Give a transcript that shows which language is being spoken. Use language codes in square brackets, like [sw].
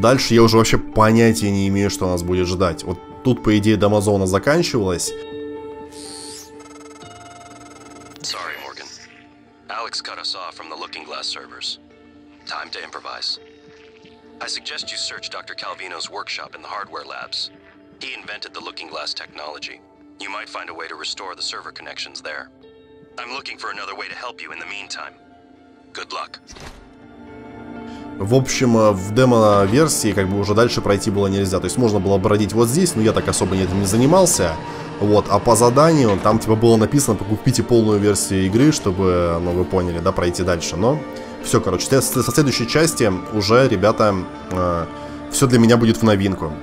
[ru] дальше я уже вообще понятия не имею, что нас будет ждать. Вот тут, по идее, Домозона заканчивалась. [en] Sorry, Morgan. Alex cut us off from the Looking Glass servers. Time to improvise. I suggest you search Dr. Calvino's workshop in the hardware labs. He invented the Looking Glass technology. You might find a way to restore the server connections there. I'm looking for another way to help you in the meantime. Good luck. [ru] В общем, в демо-версии как бы уже дальше пройти было нельзя. То есть можно было бродить вот здесь, но я так особо этим не занимался. Вот, а по заданию там типа было написано, покупите полную версию игры, чтобы, ну, вы поняли, да, пройти дальше, но... Все, короче, со следующей части уже, ребята, все для меня будет в новинку.